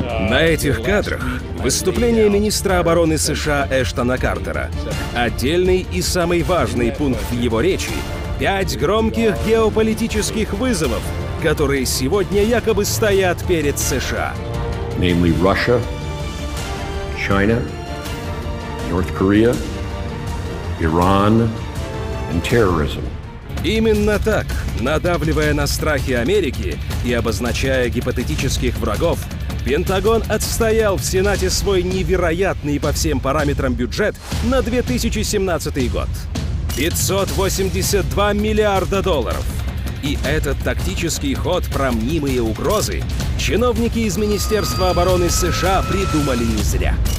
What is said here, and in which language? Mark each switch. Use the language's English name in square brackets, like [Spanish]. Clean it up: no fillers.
[Russian] На этих кадрах выступление министра обороны США Эштона Картера. Отдельный и самый важный пункт его речи – Пять громких геополитических вызовов, которые сегодня якобы стоят перед США. [English] Namely Russia, China, North Korea, Iran and terrorism. [Russian] Именно так, надавливая на страхи Америки и обозначая гипотетических врагов, Пентагон отстоял в Сенате свой невероятный по всем параметрам бюджет на 2017 год. 582 миллиарда долларов. И этот тактический ход про мнимые угрозы чиновники из Министерства обороны США придумали не зря.